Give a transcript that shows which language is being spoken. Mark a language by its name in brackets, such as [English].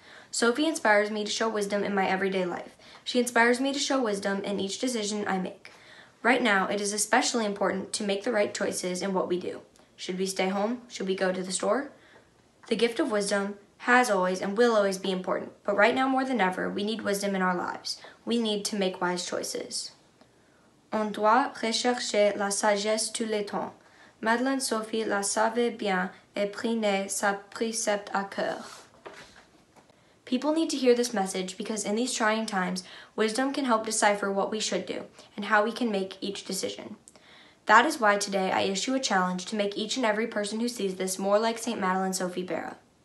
[English] Sophie inspires me to show wisdom in my everyday life. She inspires me to show wisdom in each decision I make. Right now, it is especially important to make the right choices in what we do. Should we stay home? Should we go to the store? The gift of wisdom has always and will always be important, but right now more than ever, we need wisdom in our lives. We need to make wise choices. [French] On doit rechercher la sagesse tous les temps. Madeleine Sophie la savait bien et prenait sa précepte à cœur. [English] People need to hear this message because in these trying times, wisdom can help decipher what we should do and how we can make each decision. That is why today I issue a challenge to make each and every person who sees this more like St. Madeleine Sophie Barat.